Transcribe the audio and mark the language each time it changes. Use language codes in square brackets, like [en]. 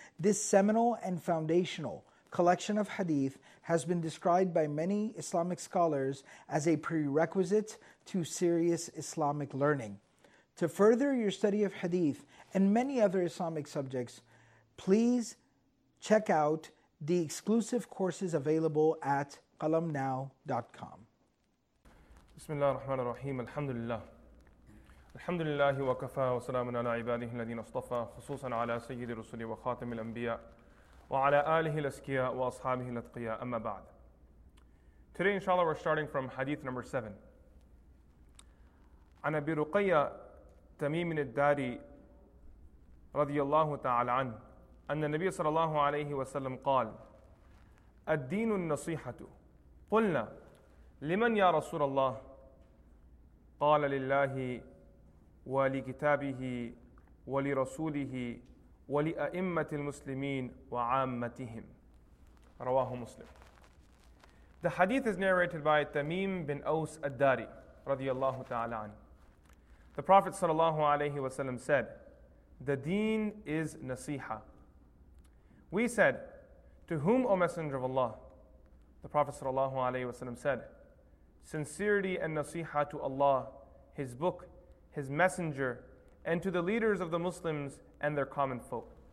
[en] This seminal and foundational collection of hadith has been described by many Islamic scholars as a prerequisite to serious Islamic learning. To further your study of hadith and many other Islamic subjects, please check out the exclusive courses available at qalamnow.com. [ar] بسم الله الرحمن الرحيم الحمد لله الحمد لله وكفى وسلام على عباده الذين اصطفى خصوصا على سيد الرسل وخاتم الأنبياء وعلى آله الأسكياء وأصحابه الأتقياء أما بعد. [en] Today inshallah we're starting from hadith number 7. [ar] عن أبي رقية تميم الداري رضي الله تعالى عنه أن النبي صلى الله عليه وسلم قال الدين النصيحة قلنا لمن يا رسول الله قال لله ولكتابه ولرسوله ولأئمة المسلمين وعامتهم رواه مسلم. [en] The hadith is narrated by Tamim bin Aus Ad-Dari [ar] رضي الله تعالى عنه. [en] The Prophet [ar] صلى الله عليه وسلم [en] said, "The deen is nasiha." We said, "To whom, O Messenger of Allah?" The Prophet [ar] صلى الله عليه وسلم [en] said, "Sincerity and nasiha to Allah, His book, His messenger, and to the leaders of the Muslims and their common folk."